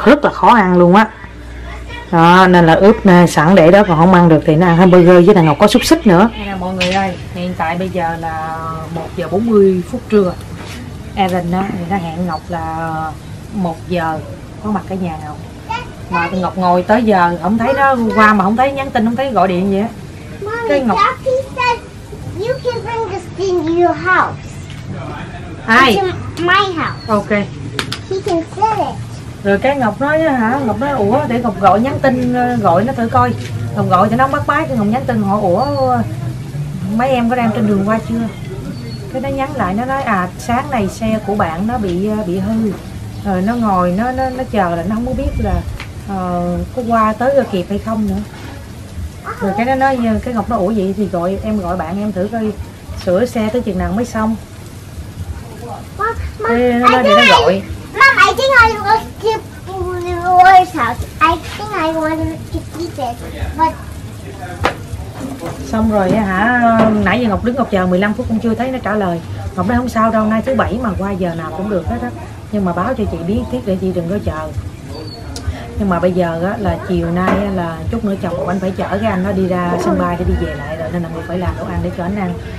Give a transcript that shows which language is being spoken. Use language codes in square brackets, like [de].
[vi] Rất là khó ăn luôn á. Đó, nên là ướp sẵn để đó, còn không ăn được thì nó ăn hamburger với là Ngọc có xúc xích nữa. Nè mọi người ơi, hiện tại bây giờ là 1:40 phút trưa. Aaron đã hẹn Ngọc là 1 giờ có mặt cái nhà Ngọc. Mà Ngọc ngồi tới giờ không thấy nó qua, mà không thấy nhắn tin, không thấy gọi điện gì á. Cái Ngọc. [en] Said, you can bring this thing to your house. [vi] Ai? [en] My house. Ok. He can set it. [vi] Rồi cái Ngọc nói hả? Ngọc nói ủa, để Ngọc gọi nhắn tin, gọi nó thử coi. Ngọc gọi cho nó bắt máy, Ngọc nhắn tin hỏi ủa mấy em có đang trên đường qua chưa? Cái nó nhắn lại, nó nói à sáng nay xe của bạn nó bị hư. Rồi nó ngồi nó chờ là nó không có biết là có qua tới rồi kịp hay không nữa. Rồi cái nó nói, cái Ngọc nó ủa vậy thì gọi em, gọi bạn em thử coi sửa xe tới chừng nào mới xong. [en] Mom, [vi] cái nó nói thì nó gọi. [en] Mom, I think I want to keep the Lord's house. I think I want to keep it. But... [vi] Xong rồi hả, nãy giờ Ngọc đứng Ngọc chờ 15 phút cũng chưa thấy nó trả lời. Ngọc nói không sao đâu, nay thứ bảy mà qua giờ nào cũng được hết á. Nhưng mà báo cho chị biết tiếp để chị đừng có chờ. Nhưng mà bây giờ á, là chiều nay á, là chút nữa chồng Ngọc anh phải chở cái anh nó đi ra sân bay để đi về lại rồi. Nên là Ngọc phải làm đồ ăn để cho anh ăn.